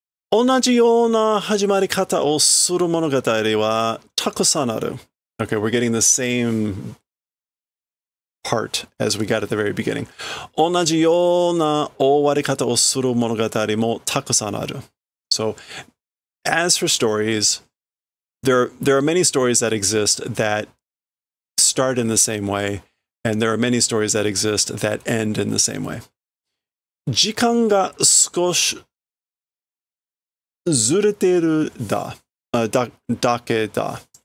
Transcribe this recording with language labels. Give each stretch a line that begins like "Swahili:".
Japanese: 同じような始まり方をする物語はたくさんある。
English: Okay, we're getting the same part as we got at the very beginning.
Japanese: 同じような終わり方をする物語もたくさんある。
English: So, as for stories, there are many stories that exist that start in the same way, and there are many stories that exist that end in the same way.
Japanese: 時間が少しずれてるだ、だけだ。